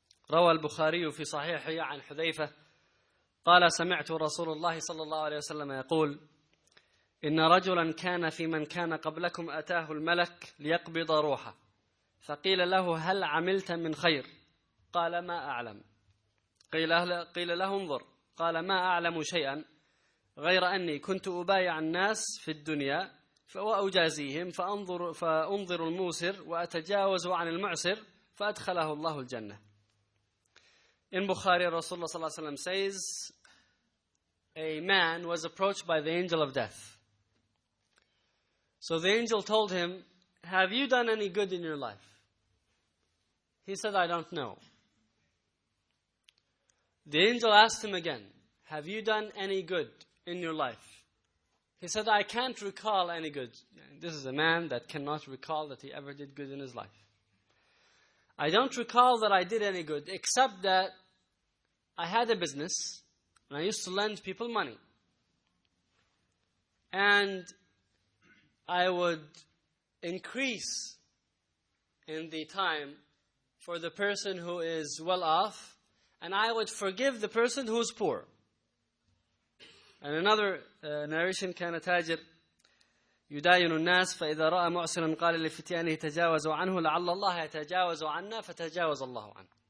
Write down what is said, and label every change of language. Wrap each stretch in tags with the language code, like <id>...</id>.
<ar>روى البخاري في صحيحه عن حذيفة قال سمعت رسول الله صلى الله عليه وسلم يقول إن رجلا كان في من كان قبلكم أتاه الملك ليقبض روحه فقيل له هل عملت من خير قال ما أعلم قيل له انظر قال ما أعلم شيئا غير أني كنت أبايع الناس في الدنيا وأجازيهم فأنظر الموسر وأتجاوز عن المعسر فأدخله الله الجنة.</ar> <en>In Bukhari, Rasulullah sallallahu alayhi wa sallam says, a man was approached by the angel of death. So the angel told him, have you done any good in your life? He said, I don't know. The angel asked him again, have you done any good in your life? He said, I can't recall any good. This is a man that cannot recall that he ever did good in his life. I don't recall that I did any good, except that I had a business, and I used to lend people money. And I would increase in the time for the person who is well off, and I would forgive the person who is poor. And another narration,</en> <ar>كان تاجر يداين الناس فإذا رأى معسرا قال لفتيانه تجاوزوا عنه لعل الله يتجاوز عنا فتجاوز الله عنه.</ar>